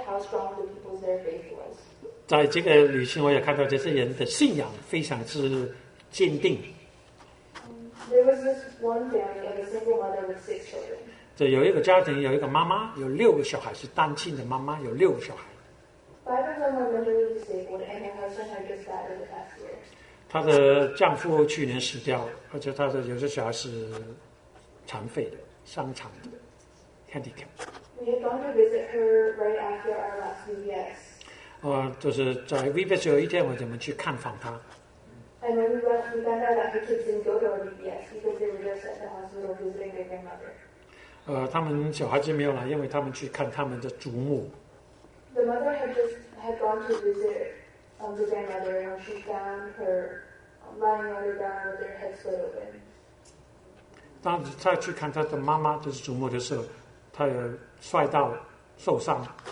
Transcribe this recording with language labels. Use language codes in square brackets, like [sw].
[en] It amazed me how strong the people's their faith was. [zh] 在这个旅行，我也看到这些人的信仰非常之坚定。 [en] There was this one family of a single mother with six children. [zh] 这有一个家庭，有一个妈妈，有六个小孩，是单亲的妈妈，有六个小孩。 [en] Five of them are mentally disabled, and their husband had just died in the past year. [zh] 她的丈夫去年死掉，而且她的有些小孩是残废的，伤残的 ，handicap。 [en] We had gone to visit her right after our last VBS. [zh] 就是在 VBS 有一天，我怎么去看访她。 [en] And when we found out that her kids didn't go to VBS because they were just at the hospital visiting their grandmother. [zh] 他们小孩子没有来，因为他们去看他们的祖母。 [en] The mother had gone to visit the grandmother, and she found her lying on the ground with her head split open. [zh] 当她去看她的妈妈，就是祖母的时候，她有。摔到受伤。